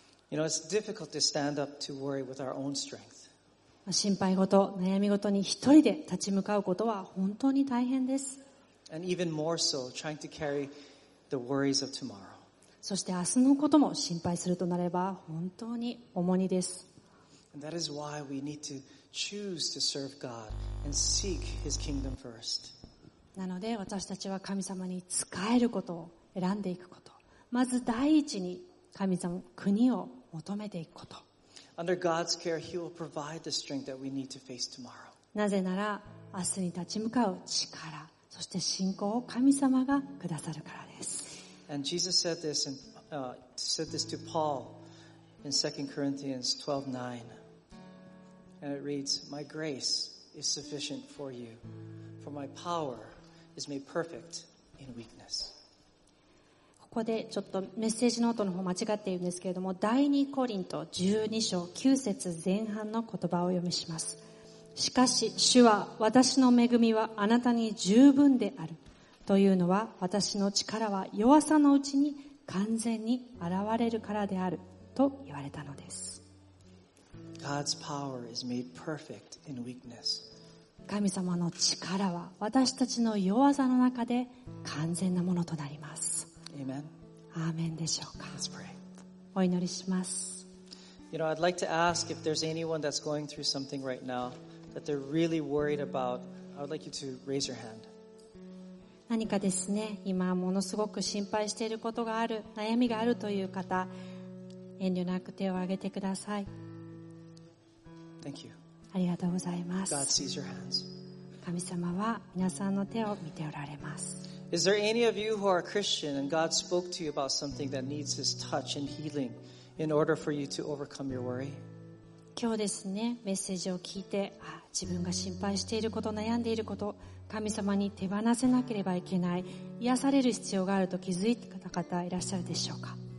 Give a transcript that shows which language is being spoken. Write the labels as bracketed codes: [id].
[en] You know, it's difficult to stand up to worry with our own strength. [ja] 心配事、悩み事に一人で立ち向かうことは本当に大変です。 [en] And even more so, trying to carry the worries of tomorrow. [ja] そして明日のことも心配するとなれば本当に重荷です。 [en] And that is why we need to choose to serve God and seek His kingdom first. [ja] なので私たちは神様に仕えることを選んでいくこと。まず第一に神様、国を求めていくこと。 [en] Under God's care, He will provide the strength that we need to face tomorrow. [ja] なぜなら、明日に立ち向かう力、そして信仰を神様がくださるからです。 [en] And Jesus said this, and, said this to Paul in 2 Corinthians 12:9. And it reads, My grace is sufficient for you, for my power is made perfect in weakness. [ja] ここでちょっとメッセージノートの方間違っているんですけれども、第2コリント12章9節前半の言葉を読みします。しかし主は私の恵みはあなたに十分であるというのは、私の力は弱さのうちに完全に現れるからであると言われたのです。 [en] God's power is made perfect in weakness. [ja] 神様の力は私たちの弱さの中で完全なものとなります。 [en] Amen. [ja] アーメンでしょうか。 [en] Let's pray. [ja] お祈りします。 [en] You know, I'd like to ask if there's anyone that's going through something right now that they're really worried about, I would like you to raise your hand. [ja] 何かですね、今ものすごく心配していることがある、悩みがあるという方、遠慮なく手を挙げてください。 [en] Thank you. [ja] ありがとうございます。 [en] God sees your hands. [ja] 神様は皆さんの手を見ておられます。 [en] Is there any of you who are Christian and God spoke to you about something that needs His touch and healing in order for you to overcome your worry? [ja] 今日ですね、メッセージを聞いて、自分が心配していること、悩んでいること、神様に手放せなければいけない、癒される必要があると気づいた方いらっしゃるでしょうか。